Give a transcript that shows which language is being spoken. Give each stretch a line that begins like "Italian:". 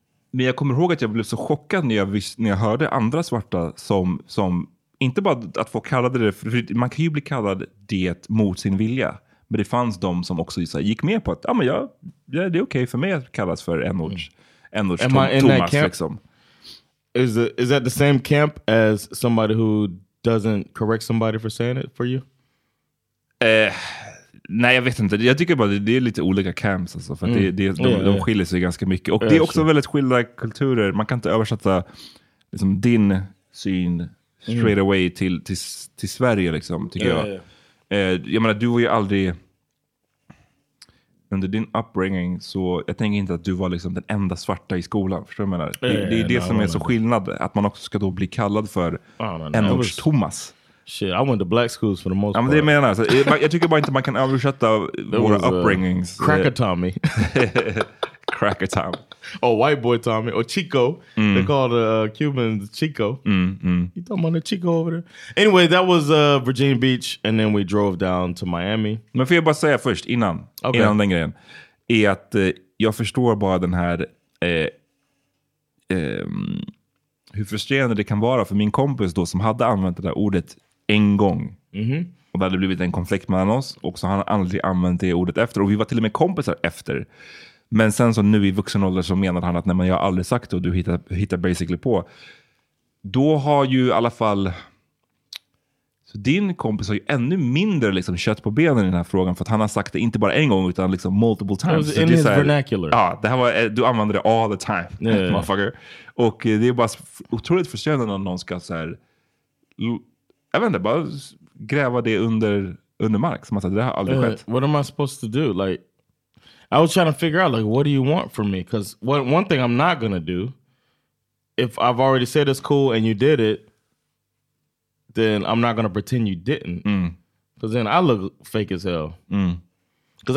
Swedish: Men jag kommer ihåg att jag blev så chockad när jag hörde andra svarta som inte bara att få kallade det, för man kan ju bli kallad det mot sin vilja. Men det fanns de som också så här, gick med på att men det är okej för mig att kallas för N-ords Thomas
English: camp,
Swedish: liksom.
English: Is that the same camp as somebody who doesn't correct somebody for saying it for you?
Swedish: Nej, jag vet inte. Jag tycker bara att det är lite olika camps. Alltså, för de skiljer sig ganska mycket. Och det är också väldigt skilda kulturer. Man kan inte översätta liksom, din syn
English: straight away
Swedish: till Sverige, liksom, tycker jag. Jag menar, du var ju aldrig... Under din upbringing så... Jag tänker inte att du var liksom den enda svarta i skolan. Förstår du vad jag menar? Det är så skillnad. Att man också ska då bli kallad för N-ords Thomas.
English: Shit, I went to black schools for the most part.
Swedish: Men det menar jag. Jag tycker bara inte man kan översätta våra upbringings.
English: Cracker Tommy. Cracker Tommy. Oh, white boy Tommy. Or Chico. Mm. They called Cubans Chico. You talking about the Chico over there? Anyway, that was Virginia Beach. And then we drove down to Miami.
Swedish: Men får jag bara säga först, innan.
English: Okay.
Swedish: Innan den grejen. Är att jag förstår bara den här... hur frustrerande det kan vara för min kompis då som hade använt det där ordet en gång. Mm-hmm. Och det hade blivit en konflikt mellan oss. Och så han aldrig använt det ordet efter. Och vi var till och med kompisar efter. Men sen så nu i vuxen ålder så menar han att nej, men jag har aldrig sagt det och du hittar
English: basically
Swedish: på. Då har ju i alla fall... Så din kompis har ju ännu mindre liksom kött på benen i den här frågan. För att han har sagt det inte bara en gång utan liksom
English: multiple times. In his vernacular.
Swedish: Ja, det här var, du använder det
English: all the time. Yeah. Motherfucker.
Swedish: Och det är bara otroligt frustrerande när någon ska så här... Jag vet inte, bara gräva det under mark. Som att det har aldrig skett.
English: What am I supposed to do? Like, I was trying to figure out, like, what do you want from me? Because one thing I'm not gonna do, if I've already said it's cool and you did it, then I'm not gonna pretend you didn't. Because then I look fake as hell. Because